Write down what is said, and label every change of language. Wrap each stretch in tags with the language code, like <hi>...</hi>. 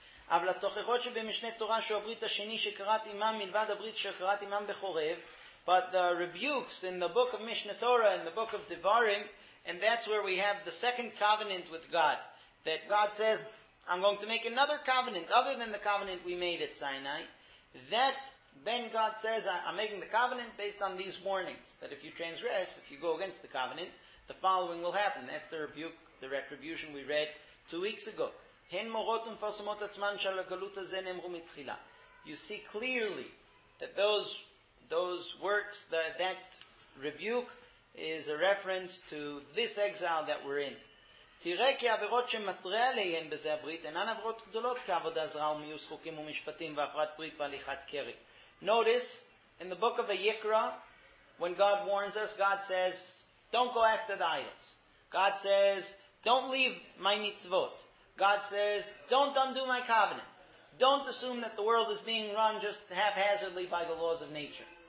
<he>אבל התוכחות שבמשנה תורה שהברית השני שקראת אימם מלבד הברית שקראת אימם בחורב,</he> <en>but the rebukes in the book of Mishneh Torah and the book of Devarim, and that's where we have the second covenant with God, that God says, I'm going to make another covenant other than the covenant we made at Sinai. That, then God says, I'm making the covenant based on these warnings, that if you transgress, if you go against the covenant, the following will happen. That's the rebuke, the retribution we read 2 weeks ago.</en> <he>הן מורות ומפרסמות עצמן שעל הגלות הזה נאמרו מתחילה.</he> <en>You see clearly that those works, that rebuke is a reference to this exile that we're in.</en> <he>תראה כי עבירות שמטרה עליהן בזה הברית אינן עבירות גדולות כעבודה זרה ומיוס חוקים ומשפטים והפרת ברית והליכת קרי.</he> <en>Notice, in the book of Ayikra, when God warns us, God says, don't go after the idols. God says, don't leave my mitzvot. God says, don't undo my covenant. Don't assume that the world is being run just haphazardly by the laws of nature.</en>